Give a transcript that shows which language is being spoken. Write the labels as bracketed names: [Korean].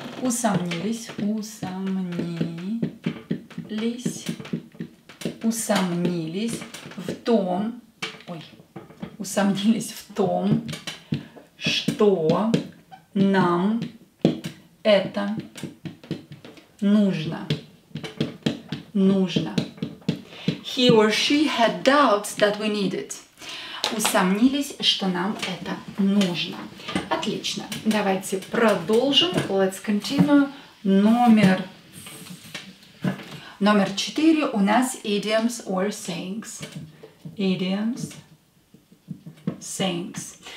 [Russian] Усомнились, усомнились, усомнились в том, ой, усомнились в том, что нам это нужно. Нужно. [English] He or she had doubts that we need it. [Russian] Усомнились, что нам это нужно. Отлично. Давайте продолжим. [English] Let's continue. [Russian] Номер 4 у нас [English] idioms or sayings. Idioms, sayings.